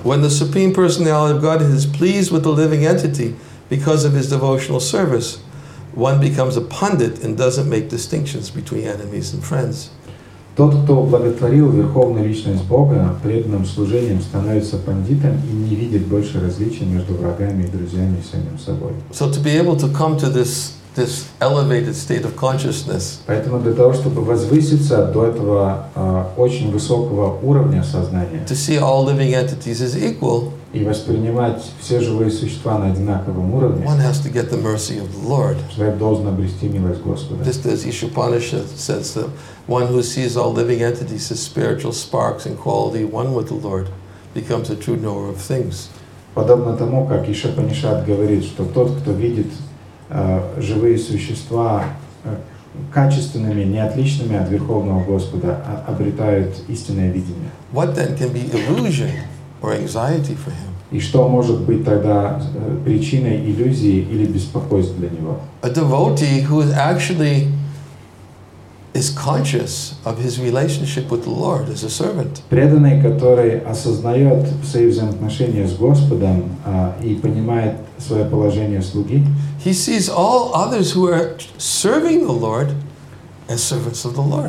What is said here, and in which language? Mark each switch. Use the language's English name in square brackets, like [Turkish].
[English] When the Supreme Personality of God is pleased with the living entity because of his devotional service, one becomes a pundit and doesn't make distinctions between enemies and friends. [Russian] Тот, кто благотворил Верховную Личность Бога, преданным служением становится пандитом и не видит больше различий между врагами и друзьями и самим собой. [English] So to be able to come to this elevated state of consciousness. [Russian] Поэтому для того, чтобы возвыситься до этого очень высокого уровня сознания, [English] to see all living entities as equal, [Russian] и воспринимать все живые существа на одинаковом уровне, [English] one has to get the mercy of the Lord. [Russian] Человек должен обрести милость Господа. [English] Just as Ishupanishad says, that one who sees all living entities as spiritual sparks and quality one with the Lord becomes a true knower of things. [Russian] Подобно тому, как Ишупанишад говорит, что тот, кто видит живые существа качественными, неотличными от Верховного Господа, обретают истинное видение. [English] What then can be illusion or anxiety for him? [Russian] И что может быть тогда причиной иллюзии или беспокойства для него? [English] A devotee who is actually is conscious of his relationship with the Lord as a servant. [Russian] Преданный, который осознает свои взаимоотношения с Господом и понимает свое положение слуги, [English] he sees all others who are serving the Lord as servants of the Lord.